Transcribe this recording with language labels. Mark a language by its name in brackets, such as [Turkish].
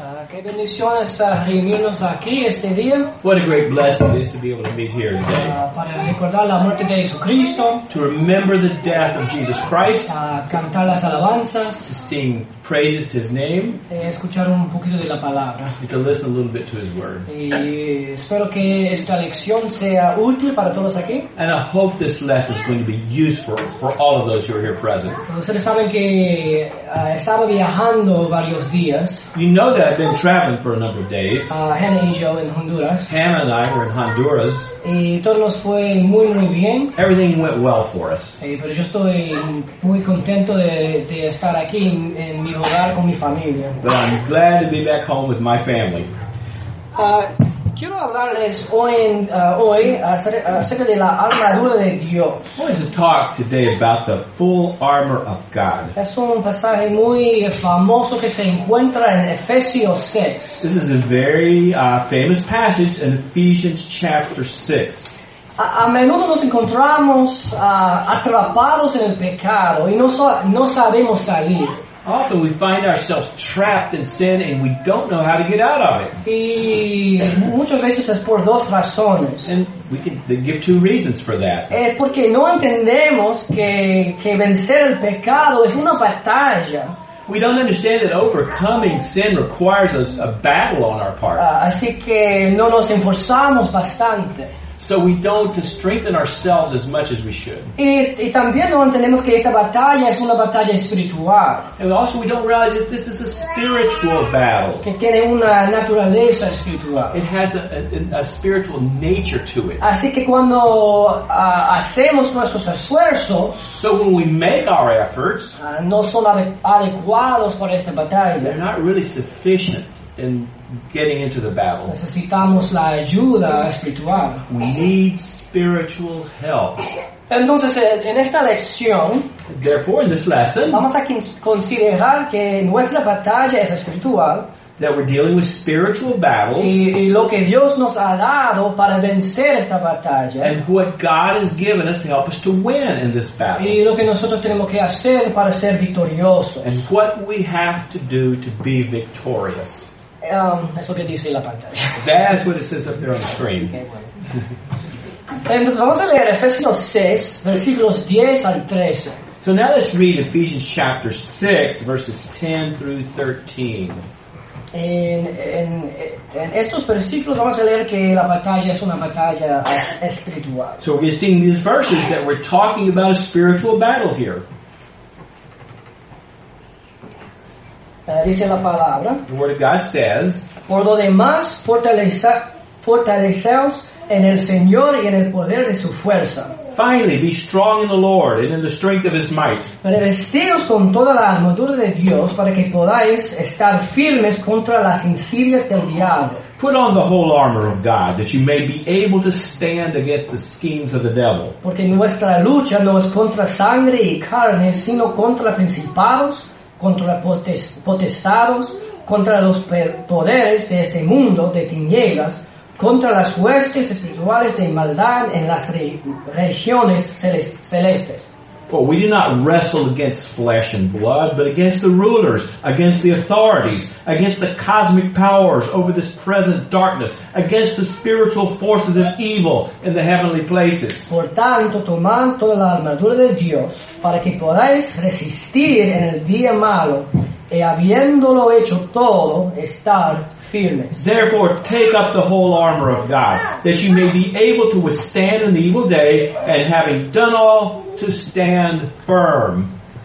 [Spanish] Qué bendición es reunirnos aquí este día. [English] What a great blessing it is to be able to meet here today. [Spanish] Para recordar la muerte de Jesucristo. [English] To remember the death of Jesus Christ. [Spanish] Cantar las alabanzas. [English] To sing praises to his name. [Spanish] Escuchar un poquito de la palabra. [English] And to listen a little bit to his word. [Spanish] Y espero que esta lección sea útil para todos aquí. [English] And I hope this lesson is going to be useful for all of those who are here present. [Spanish] Ustedes saben que estaba viajando varios días. [English] You know that I've been traveling for a number of days. Hannah and Joe in Honduras. Hannah and I were in Honduras. [Spanish] Y todo nos fue muy muy bien. [English] Everything went well for us. [Spanish] Pero yo estoy muy contento de estar aquí en mi hogar con mi familia. [English] But I'm glad to be back home with my family. [Spanish] Quiero hablarles hoy acerca de la armadura de Dios. [English] I want to talk today about the full armor of God. [Spanish] Es un pasaje muy famoso que se encuentra en Efesios 6. [English] This is a very famous passage in Ephesians chapter 6. [Spanish] A menudo nos encontramos atrapados en el pecado y no sabemos salir. [English] Often we find ourselves trapped in sin and we don't know how to get out of it. [Spanish] Y muchas veces es por dos razones. [English] And we can give two reasons for that. [Spanish] Es porque no entendemos que vencer el pecado es una batalla. [English] We don't understand that overcoming sin requires a battle on our part. [Spanish] Así que no nos esforzamos bastante. [English] So we don't strengthen ourselves as much as we should. [Spanish] Y también no entendemos que esta batalla es una batalla espiritual. [English] And also we don't realize that this is a spiritual battle. [Spanish] Que tiene una naturaleza espiritual. [English] It has a spiritual nature to it. [Spanish] Así que cuando hacemos nuestros esfuerzos, [English] so when we make our efforts, [Spanish] no son adecuados para esta batalla. [English] They're not really sufficient in getting into the battle. [Spanish] Necesitamos la ayuda espiritual. [English] We need spiritual help. [Spanish] Entonces, en esta lección, [English] therefore, in this lesson, [Spanish] vamos a considerar que nuestra batalla es espiritual. [English] That we're dealing with spiritual battles. [Spanish] Y lo que Dios nos ha dado para vencer esta batalla. [English] And what God has given us to help us to win in this battle. [Spanish] Y lo que nosotros tenemos que hacer para ser victoriosos. [English] And what we have to do to be victorious. [Spanish] Es lo que dice la pantalla. [English] That's what it says up there on the screen. [Spanish] Okay, bueno. Entonces vamos a leer Efesios 6, versículos 10 al 13. [English] So now let's read Ephesians chapter 6, verses 10 through 13. [Spanish] En estos versículos vamos a leer que la batalla es una batalla espiritual. [English] So we're seeing these verses that we're talking about a spiritual battle here. [Spanish] Dice la palabra. [English] The word of God says. [Spanish] Por lo demás, fortaleceos en el Señor y en el poder de su fuerza. [English] Finally, be strong in the Lord and in the strength of His might. [Spanish] Revestíos con toda la armadura de Dios para que podáis estar firmes contra las insidias del diablo. [English] Put on the whole armor of God that you may be able to stand against the schemes of the devil. [Spanish] Porque nuestra lucha no es contra sangre y carne, sino contra principados, contra potestados, contra los poderes de este mundo de tinieblas, contra las huestes espirituales de maldad en las regiones celestes. [English] For we do not wrestle against flesh and blood, but against the rulers, against the authorities, against the cosmic powers over this present darkness, against the spiritual forces of evil in the heavenly places. [Spanish] Por tanto, tomad toda la armadura de Dios para que podáis resistir en el día malo. Y habiéndolo hecho todo, estar firmes. [English] Therefore, take up the whole armor of God, that you may be able to withstand in the evil day, and having done all, to stand firm.